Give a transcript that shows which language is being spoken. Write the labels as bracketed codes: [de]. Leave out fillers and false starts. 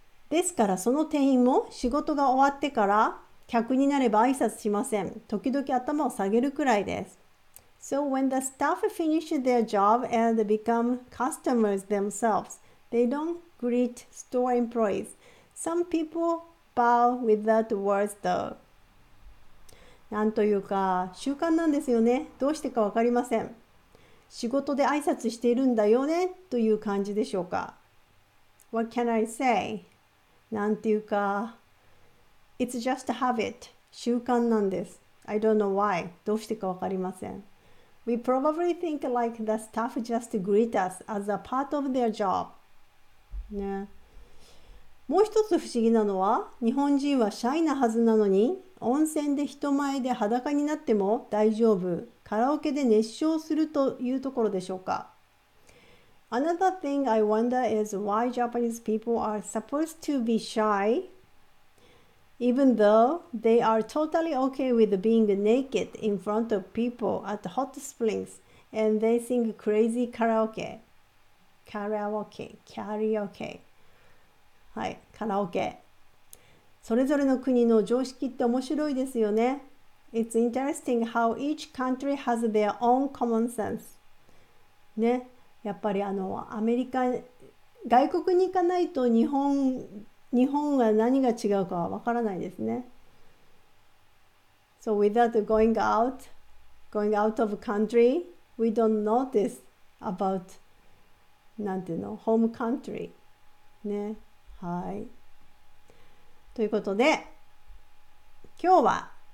[ja] ですからその店員も仕事が終わってから客になれば挨拶しません。時々頭を下げるくらいです。 [en] So when the staff finish their job and become customers themselves, they don't greet store employees. Some people bow without words though. [ja] なんというか習慣なんですよね。どうしてかわかりません。仕事で挨拶しているんだよねという感じでしょうか。 [en] What can I say? [ja] なんていうか、 [en] It's just a habit. [ja] 習慣なんです。 [en] I don't know why. [ja] どうしてかわかりません。 [en] We probably think like the staff just greet us as a part of their job. [ja] ね。もう一つ不思議なのは、日本人はシャイなはずなのに、温泉で人前で裸になっても大丈夫。カラオケで熱唱するというところでしょうか。 [en] Another thing I wonder is why Japanese people are supposed to be shy, even though they are totally okay with being naked in front of people at hot springs and they sing crazy karaoke. Karaoke. [ja] はい、カラオケ。それぞれの国の常識って面白いですよね。 [en] It's interesting how each country has their own common sense. [ja] ね。やっぱりアメリカ、外国に行かないと日本は何が違うかは分からないですね。 [en] So without going out of country, we don't notice about, [ja] なんていうの、 [en] home country. [ja] ね。はい。ということで、今日は、